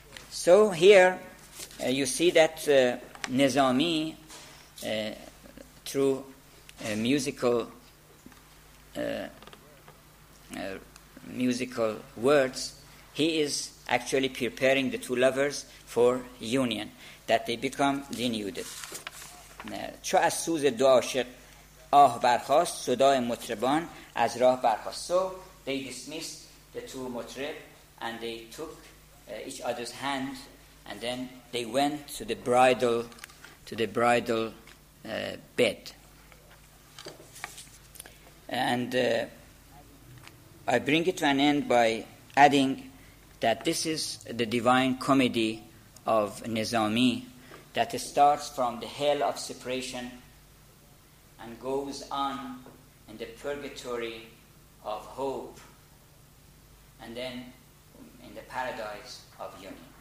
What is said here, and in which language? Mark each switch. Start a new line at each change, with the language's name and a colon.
English: So here you see that Nizami, through musical words, he is actually preparing the two lovers for union, that they become denuded.
Persian: چو از سوز دو عاشق آه برخاست صدای مطربان از راه برخاست.
English: So they dismissed the two mutrib and they took each other's hand, and then they went to the bridal bed. And I bring it to an end by adding that this is the divine comedy of Nizami, that it starts from the hell of separation and goes on in the purgatory of hope, and then in the paradise of union.